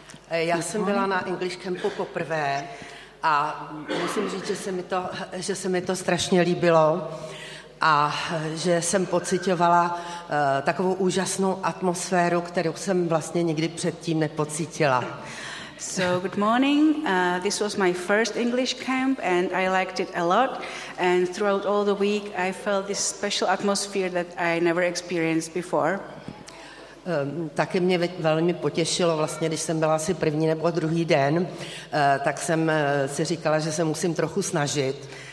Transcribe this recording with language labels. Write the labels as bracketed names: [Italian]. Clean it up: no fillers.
[Czech] Já jsem byla na English Campu poprvé a musím říct, že se mi to strašně líbilo a že jsem pociťovala takovou úžasnou atmosféru, kterou jsem vlastně nikdy předtím nepocítila. [English] So good morning. This was my first English camp and I liked it a lot, and throughout all the week I felt this special atmosphere that I never experienced before. [Czech] Taky mě velmi potěšilo, vlastně, když jsem byla asi první nebo druhý den, tak jsem si říkala, že se musím trochu snažit.